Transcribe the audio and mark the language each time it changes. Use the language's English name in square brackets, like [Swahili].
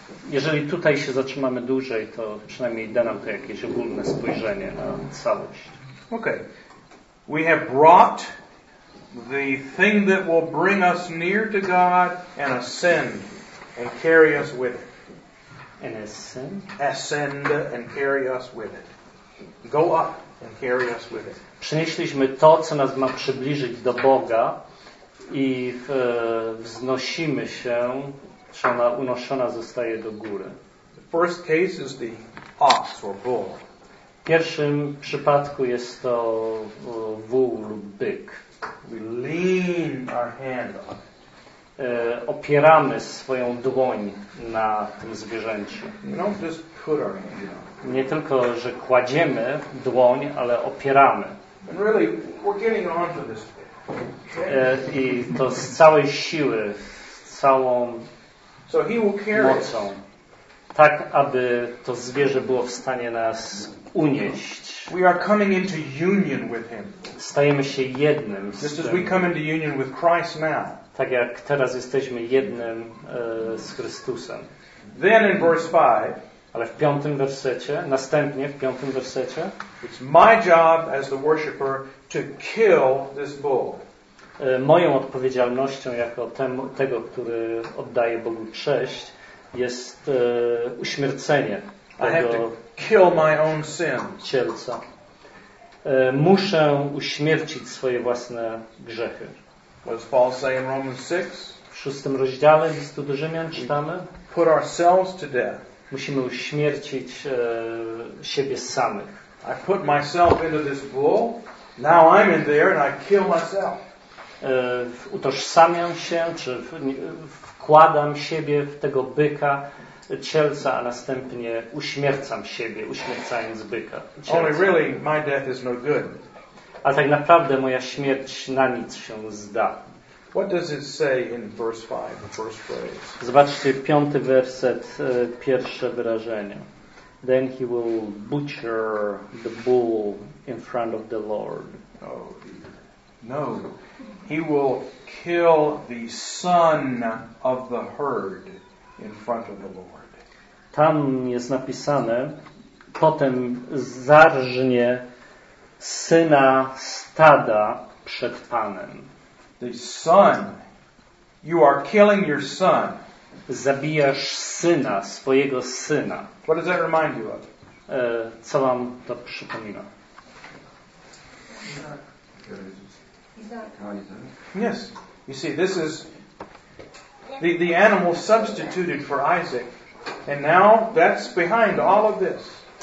[Polish] Jeżeli tutaj się zatrzymamy dłużej, to przynajmniej da nam to jakieś ogólne spojrzenie na całość. Okay. [English] We have brought the thing that will bring us near to God and ascend and carry us with it. And ascend? Ascend and carry us with it. Go up and carry us with it. [Polish] Przynieśliśmy to, co nas ma przybliżyć do Boga i wznosimy się, czy ona unoszona zostaje do góry. [English] The first case is the ox or bull. [Polish] W pierwszym przypadku jest to wół lub byk. [English] We lean our hand on. [Polish] Opieramy swoją dłoń na tym zwierzęciu. [English] You don't just put our hand on. [Polish] Nie tylko, że kładziemy dłoń, ale opieramy. [English] And really, we're getting on to this. Okay. [Polish] I to z całej siły, całą [English] so he will carry [Polish] mocą, tak aby to zwierzę było w stanie nas unieść. [English] We are coming into union with him. [Polish] Stajemy się jednym [English] just as we come into union with Christ now. [Polish] Tak jak teraz jesteśmy jednym z Chrystusem. [English] Then in verse 5, [Polish] ale w piątym wersecie, następnie w piątym wersecie, [English] it's my job as the worshipper to kill this bull. [Polish] Moją odpowiedzialnością jako tego, który oddaje Bogu cześć, jest uśmiercenie tego [English] kill my own sin. [Polish] Cielca. Muszę uśmiercić swoje własne grzechy. [English] What does Paul say in Romans 6? [Polish] W szóstym rozdziale listu do Rzymian czytamy, [English] put ourselves to death. [Polish] Musimy uśmiercić siebie samych. [English] I put myself into this bull. Now I'm in there and I kill myself. [Polish] Utożsamiam się, czy wkładam siebie w tego byka cielca, a następnie uśmiercam siebie, uśmiercając byka cielca. [English] Only really my death is no good. [Polish] A tak naprawdę moja śmierć na nic się zda. [English] What does it say in verse 5, the first phrase? [Polish] Zobaczcie, piąty werset, pierwsze wyrażenie. [English] Then he will butcher the bull in front of the Lord. Oh, no. He will kill the son of the herd in front of the Lord. [Polish] Tam jest napisane, potem zarżnie syna stada przed Panem. [English] The son. You are killing your son. [Polish] Zabijasz syna, swojego syna. [English] What does that remind you of? [Polish] Co wam to przypomina? [English] Isaac. Yes. You see, this is the animal substituted for Isaac. And now that's behind all of this.